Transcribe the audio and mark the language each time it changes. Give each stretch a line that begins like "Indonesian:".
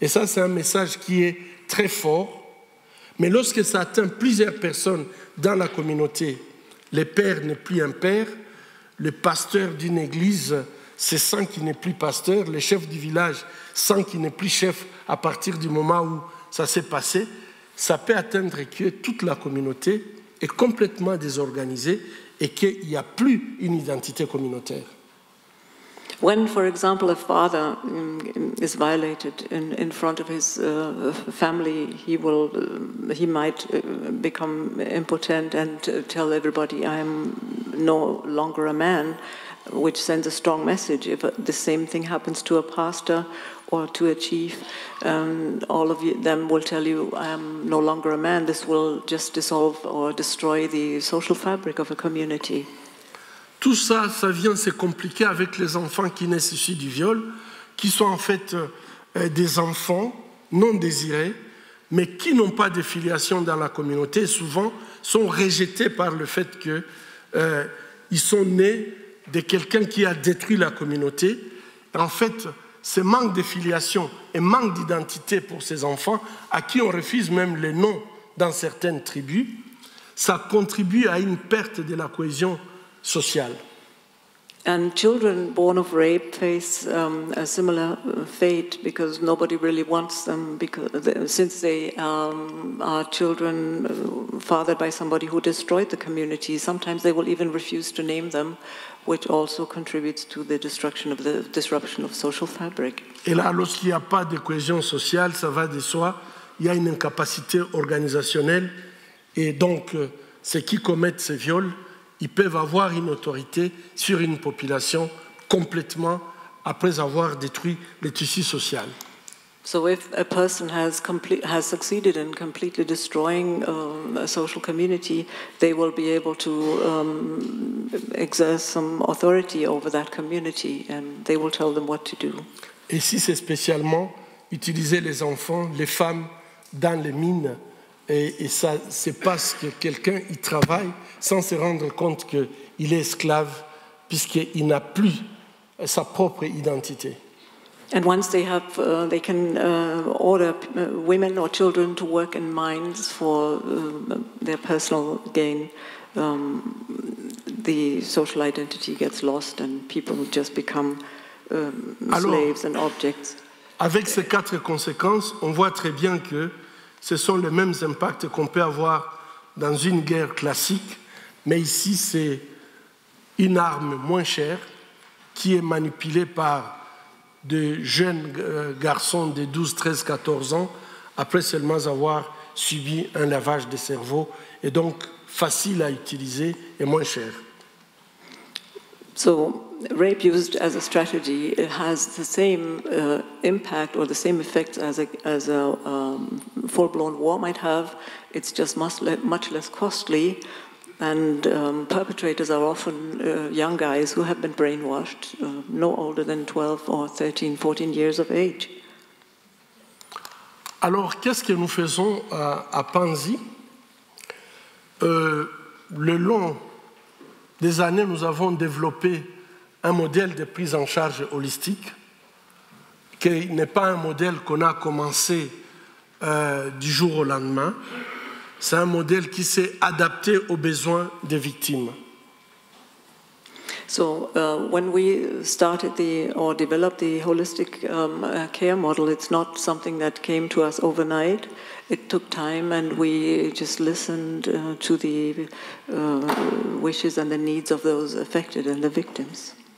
French: Et ça, c'est un message qui est très fort, mais lorsque ça atteint plusieurs personnes dans la communauté, le père n'est plus un père, le pasteur d'une église se sent qu'il n'est plus pasteur, le chef du village sent qu'il n'est plus chef à partir du moment où ça s'est passé, ça peut atteindre que toute la communauté est complètement désorganisée et qu'il n'y a plus une identité communautaire.
English: When, for example, a father is violated in front of his family, he might become impotent and tell everybody, I am no longer a man, which sends a strong message. If the same thing happens to a pastor or to a chief, all of them will tell you, I am no longer a man. This will just dissolve or destroy the social fabric of a community.
French: Tout ça, ça vient se compliquer avec les enfants qui naissent issus du viol, qui sont en fait des enfants non désirés, mais qui n'ont pas de filiation dans la communauté, et souvent sont rejetés par le fait qu'ils sont nés de quelqu'un qui a détruit la communauté. En fait, ce manque de filiation et manque d'identité pour ces enfants, à qui on refuse même les noms dans certaines tribus, ça contribue à une perte de la cohésion sociale.
English: And children born of rape face a similar fate because nobody really wants them, since they are children fathered by somebody who destroyed the community. Sometimes they will even refuse to name them, which also contributes to the destruction of the disruption of social fabric.
French: Et là, lorsqu'il n'y a pas de cohésion sociale, ça va de soi, il y a une incapacité organisationnelle, et donc ceux qui commettent ces viols, ils peuvent avoir une autorité sur une population complètement après avoir détruit le tissu social.
English: So if a person has succeeded in completely destroying a social community, they will be able to exert some authority over that community and they will tell them what to do.
French: Et si c'est spécialement utiliser les enfants, les femmes dans les mines, et ça c'est parce que quelqu'un y travaille sans se rendre compte qu'il est esclave puisqu'il n'a plus sa propre identité.
English: And once they have, they can order women or children to work in mines for their personal gain. The social identity gets lost and people just become slaves and objects.
French: Avec ces quatre conséquences, on voit très bien que ce sont les mêmes impacts qu'on peut avoir dans une guerre classique, mais ici c'est une arme moins chère qui est manipulée par de jeunes garçons de 12, 13, 14 ans après seulement avoir subi un lavage de cerveau et donc facile à utiliser et moins cher.
English: So, rape used as a strategy, it has the same impact or the same effect as a full-blown war might have. It's just much less costly, and perpetrators are often young guys who have been brainwashed, no older than 12 or 13, 14 years of age.
French: Alors, qu'est-ce que nous faisons à Panzi? Le long des années, nous avons développé un modèle de prise en charge holistique qui n'est pas un modèle qu'on a commencé du jour au lendemain. C'est un modèle qui s'est adapté aux besoins des victimes.
English: So when we started developed the holistic care model, it's not something that came to us overnight. It took time, and we just listened to the wishes and the needs of those affected and the victims.